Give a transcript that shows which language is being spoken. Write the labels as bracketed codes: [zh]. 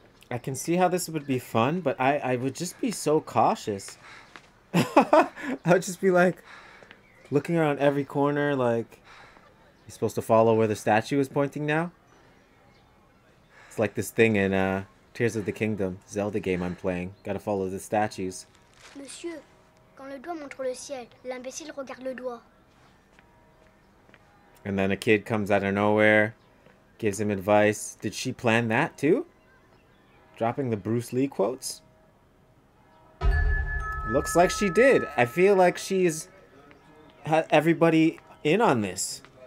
[en] I can see how this would be fun, but I would just be so cautious. I would just be like looking around every corner, like he's supposed to follow where the statue is pointing now. It's like this thing in Tears of the Kingdom, Zelda game I'm playing. Gotta follow the statues. [fr] Monsieur, quand le doigt montre le ciel, l'imbécile regarde le doigt. [en] And then a kid comes out of nowhere, gives him advice. Did she plan that too? Dropping the Bruce Lee quotes? Looks like she did. I feel like she's had everybody in on this.